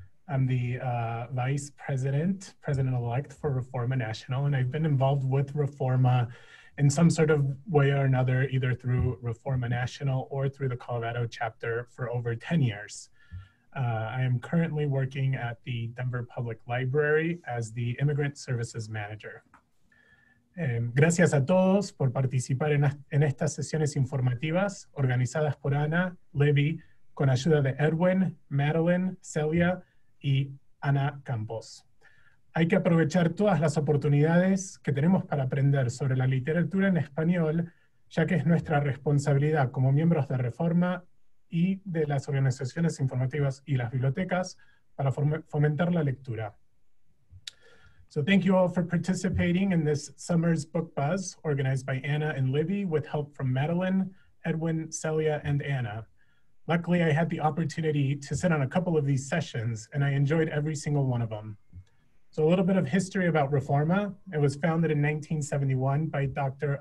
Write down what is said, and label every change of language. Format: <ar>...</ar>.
<en>I'm the Vice President, President-elect for Reforma National, and I've been involved with Reforma in some sort of way or another, either through Reforma National or through the Colorado chapter for over 10 years. I am currently working at the Denver Public Library as the Immigrant Services Manager.</en> <es>Gracias a todos por participar en estas sesiones informativas organizadas por Ana, Levi, con ayuda de Edwin, Madeline, Celia y Ana Campos. Hay que aprovechar todas las oportunidades que tenemos para aprender sobre la literatura en español, ya que es nuestra responsabilidad como miembros de Reforma y de las organizaciones informativas y las bibliotecas para fomentar la lectura.</es> <en>So thank you all for participating in this summer's Book Buzz organized by Anna and Libby with help from Madeline, Edwin, Celia, and Anna. Luckily, I had the opportunity to sit on a couple of these sessions and I enjoyed every single one of them. So a little bit of history about Reforma. It was founded in 1971 by Dr.</en>